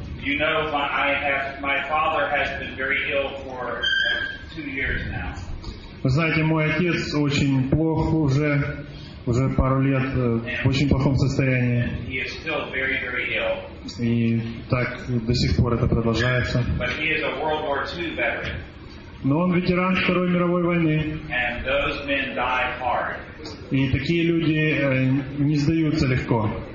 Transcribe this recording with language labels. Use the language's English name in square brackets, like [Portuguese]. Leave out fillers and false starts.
[English] You know, my father has been very ill for 2 years now. [Russian] Вы знаете, мой отец очень плох уже пару лет, в очень плохом состоянии. [English] He is still very, very ill. [Russian] И так до сих пор это продолжается. [English] But he is a World War II veteran. [Russian] Но он ветеран Второй мировой войны. [English] And those men die hard. [Russian] И такие люди не сдаются легко.